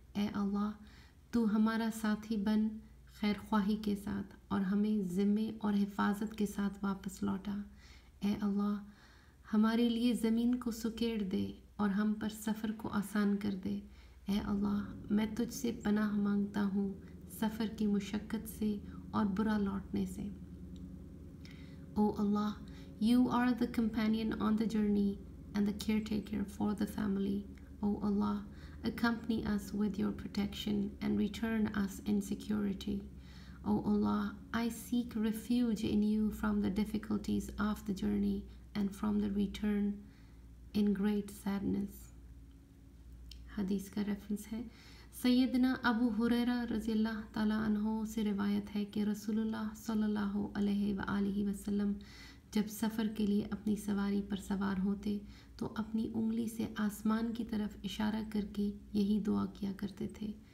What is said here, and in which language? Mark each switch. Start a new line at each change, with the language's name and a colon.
Urdu: Ae Allah tu hamara saathi ban خیر خواہی کے ساتھ اور ہمیں ذمے اور حفاظت کے ساتھ واپس لوٹا. اے اللہ ہمارے لیے زمین کو سکیڑ دے اور ہم پر سفر کو آسان کر دے. اے اللہ میں تجھ سے پناہ مانگتا ہوں سفر کی مشقت سے اور برا لوٹنے سے.
English: O Allah, you are the companion on the journey and the caretaker for the family. O Allah, accompany us with your protection and return us in security. O Allah, I seek refuge in you from the difficulties of the journey and from the return in great sadness.
Urdu: Hadith ka reference hai. Sayyidina Abu Huraira رضی اللہ تعالیٰ عنہ سے روایت ہے کہ رسول اللہ صلی اللہ علیہ وآلہ وسلم جب سفر کے لیے اپنی سواری پر سوار ہوتے تو اپنی انگلی سے آسمان کی طرف اشارہ کر کے یہی دعا کیا کرتے تھے.